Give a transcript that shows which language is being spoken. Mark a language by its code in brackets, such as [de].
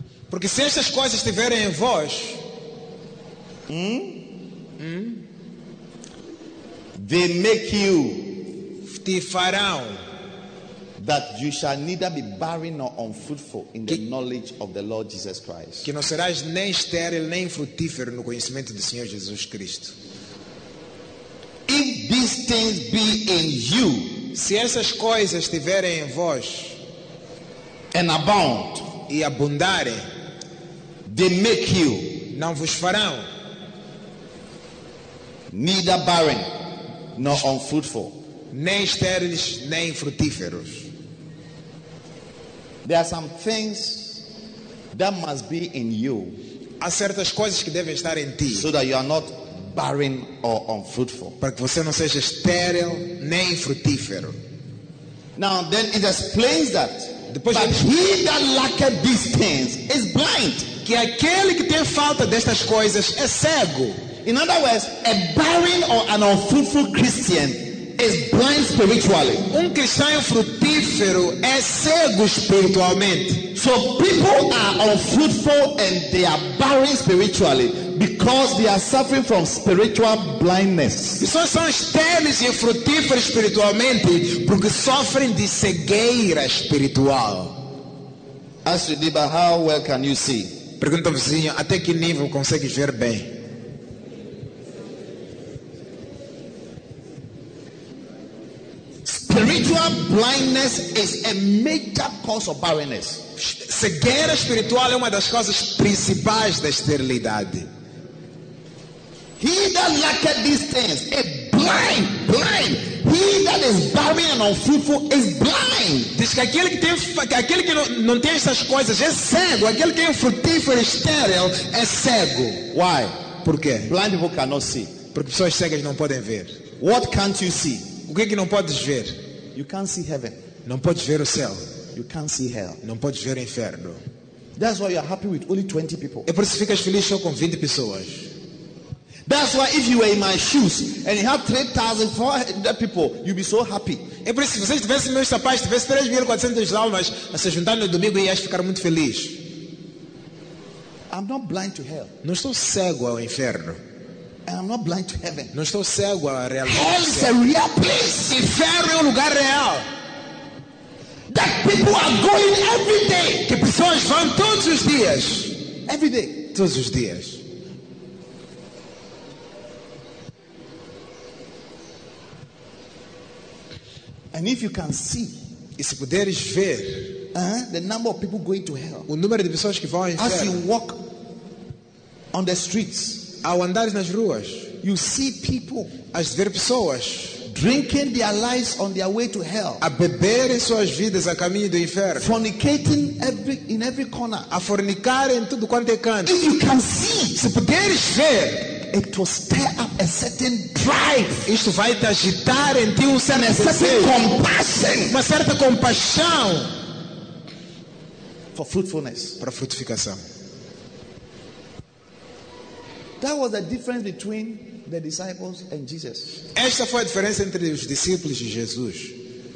[pt] Porque se estas coisas estiverem em vós. [en] They make you [pt] de Faraó. [en] That you shall neither be barren nor unfruitful in the knowledge of the Lord Jesus Christ. [pt] Que não serás nem estéril nem frutífero no conhecimento do Senhor Jesus Cristo. [en] If these things be in you, [pt] se essas coisas estiverem em vós, [en] and abound, [pt] e abundarem, [en] they make you, [pt] não vos farão [en] neither barren nor unfruitful, [pt] nem estéreis nem frutíferos. [en] There are some things that must be in you, [pt] há certas coisas que devem estar em ti, [en] so that you are not barren or unfruitful, [pt] para que você não seja estéril nem frutífero. [en] Now then it explains that, [pt] depois, [en] but he that lacketh these things is blind, [pt] que aquele que tem falta destas coisas é cego. [en] In other words, a barren or an unfruitful Christian is blind spiritually. [pt] Cristão frutífero é cego espiritualmente. [en] So people are unfruitful and they are barren spiritually because they are suffering from spiritual blindness. [pt] Pessoas são estéreis e frutíferos espiritualmente porque sofrem de cegueira espiritual. [en] Ask your neighbor, how well can you see? [pt] Pergunta ao vizinho, até que nível consegues ver bem? [en] Spiritual blindness is a major cause of barrenness. [pt] Cegueira espiritual é uma das causas principais da esterilidade. [en] He that lacketh these things is blind. He that is barren and unfruitful is blind. [pt] Diz que aquele que não tem essas coisas é cego. Aquele que é frutífero e estéril é cego. [en] Why? [pt] Por quê? [en] Blind people cannot see. [pt] Porque pessoas cegas não podem ver. [en] What can't you see? [pt] O que é que não podes ver? [en] You can't see heaven. [pt] Não podes ver o céu. [en] You can't see hell. [pt] Não podes ver o inferno. [en] That's why you are happy with only 20 people. [pt] É por isso que ficas feliz só com 20 pessoas. [en] That's why if you were in my shoes and you have 3,400 people, you'd be so happy. [pt] É por isso que se você tivesse meus sapatos, tivesse 3,400 almas a se juntar no domingo, ias ficar muito feliz. [en] I'm not blind to hell. [pt] Não estou cego ao inferno. [en] And I'm not blind to heaven. [pt] Não estou cego à realidade. [en] Hell is a real place. [pt] Inferno é um lugar real. [en] That people are going every day. [pt] Que pessoas vão todos os dias. [en] Every day. [pt] Todos os dias. [en] And if you can see, [pt] e se puderes ver, [en] the number of people going to hell, [pt] o número de pessoas que vão ao inferno, [en] as you walk on the streets, [pt] ao andares nas ruas, [en] you see people, [pt] as ver pessoas [en] drinking their lives on their way to hell, [pt] a beberem suas vidas a caminho do inferno, [en] fornicating in every corner, [pt] a fornicar em tudo quanto é canto. [en] If you can see, [pt] se puderes ver, [en] it will stir up a certain drive. [pt] Isto vai te agitar em ti [en] a certain compassion, [pt] uma certa compaixão [en] for fruitfulness, [pt] para frutificação. [en] That was the difference between the disciples and Jesus. [pt] Esta foi a diferença entre os discípulos e Jesus.